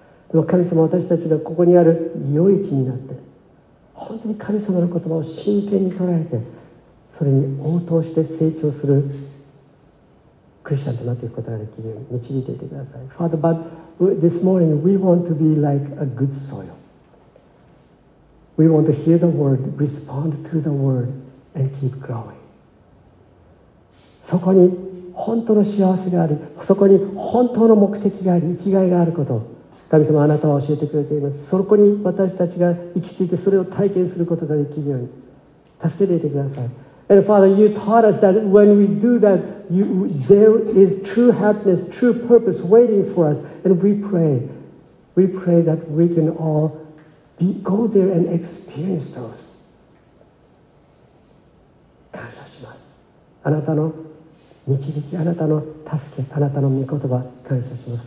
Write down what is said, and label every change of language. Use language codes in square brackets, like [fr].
[ja] でも神様、私たちがここにある良い地になって、本当に神様の言葉を真剣に捉えて、それに応答して成長するクリスチャンとなっていくことができるように導いていてください。 [en] Father, but this morning we want to be like a good soil. We want to hear the word, respond to the word, and keep growing. [ja] そこに本当の幸せがあり、そこに本当の目的があり、生きがいがあることを神様、あなたは教えてくれています。そこに私たちが行き着いて、それを体験することができるように助けていてください。 [en] And Father, you taught us that when we do that, there is true happiness, true purpose waiting for us. And we pray that we can all go there and experience those. [ja] 感謝します。あなたの導き、あなたの助け、あなたの御言葉、感謝します。